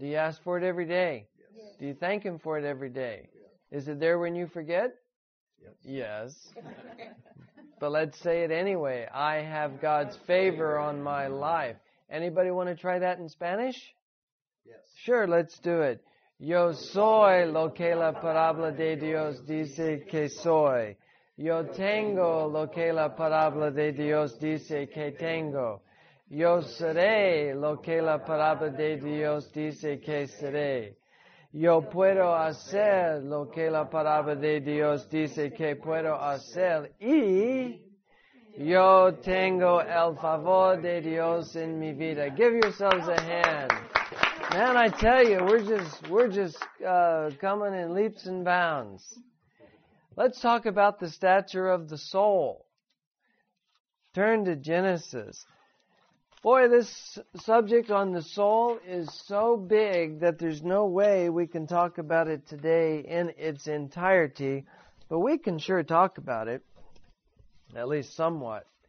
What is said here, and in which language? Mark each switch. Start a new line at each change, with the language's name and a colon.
English: Do you ask for it every day? Do you thank Him for it every day? Yes. Is it there when you forget? Yes. But let's say it anyway. I have God's favor on my life. Anybody want to try that in Spanish? Yes. Sure, let's do it.
Spanish: Yo soy lo que la palabra de Dios dice que soy. Yo tengo lo que la palabra de Dios dice que tengo. Yo seré lo que la palabra de Dios dice que seré. Yo puedo hacer lo que la palabra de Dios dice que puedo hacer. Y yo tengo el favor de Dios en mi vida.
English: Give yourselves a hand. Man, I tell you, we're just coming in leaps and bounds. Let's talk about the stature of the soul. Turn to Genesis. Boy, this subject on the soul is so big that there's no way we can talk about it today in its entirety, but we can sure talk about it, at least somewhat.